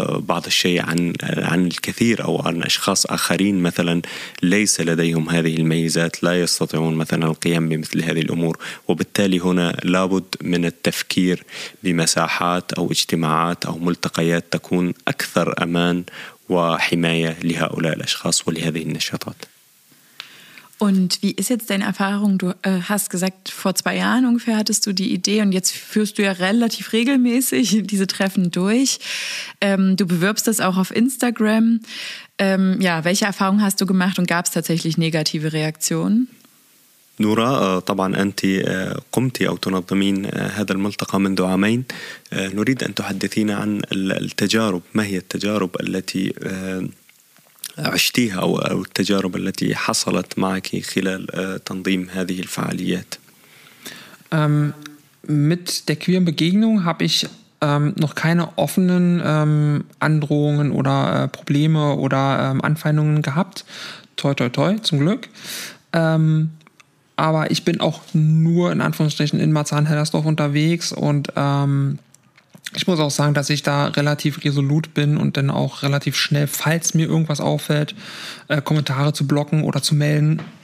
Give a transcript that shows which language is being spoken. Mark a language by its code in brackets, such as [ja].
[ar] بعض الشيء عن الكثير أو عن أشخاص آخرين مثلا ليس لديهم هذه الميزات لا يستطيعون مثلا القيام بمثل هذه الأمور وبالتالي هنا لابد من التفكير بمساحات أو اجتماعات أو ملتقيات تكون أكثر أمان وحماية لهؤلاء الأشخاص ولهذه النشاطات. [de] Und wie ist jetzt deine Erfahrung? Du hast gesagt, vor 2 Jahren ungefähr hattest du die Idee und jetzt führst du ja relativ regelmäßig diese Treffen durch. Du bewirbst das auch auf Instagram. Ja, welche Erfahrung hast du gemacht und gab es tatsächlich negative Reaktionen? [ar] نورا طبعا أنت قمت أو تنظمين هذا الملتقى منذ 2 عامين نريد أن تحدثينا عن التجارب ما هي التجارب التي عشتيها أو التجارب التي حصلت معك خلال تنظيم هذه الفعاليات [de] Mit der queeren Begegnung habe ich noch keine offenen Androhungen oder Probleme oder Anfeindungen gehabt toi toi toi zum Glück aber ich bin auch nur in Anführungsstrichen in Marzahn-Hellersdorf unterwegs und ich muss auch sagen, dass ich da relativ resolut bin und dann auch relativ schnell, falls mir irgendwas auffällt, Kommentare zu blocken oder zu melden.